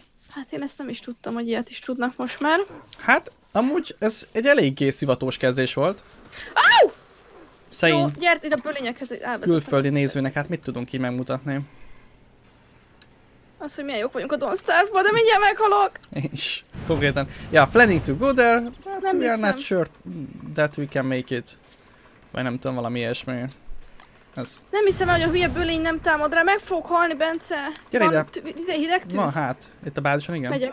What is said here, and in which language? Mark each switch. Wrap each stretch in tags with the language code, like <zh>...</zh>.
<hu>Hát én ezt nem is tudtam, hogy ilyet is tudnak most már. Hát, amúgy ez egy eléggé szivatós kezdés volt. Áú! Szegény. Jó, gyert ide a bölényekhez, elvezetem. Külföldi nézőnek, hát mit tudunk így megmutatni? Azt, hogy milyen jók vagyunk a Don't Starve-ba, de mindjárt meghalok! Én is, konkrétan.</hu> <en>Ja, yeah, planning to go there, but</en> <hu>nem</hu> <en>we are not sure that we can make it.</en> <hu>Vagy nem tudom, valami ilyesmi. Ez. Nem hiszem el, hogy a hülye bölény nem támad rá, meg fogok halni, Bence! Gyere ide! Ide hideg tűz? Van hát, itt a bázison igen.</hu>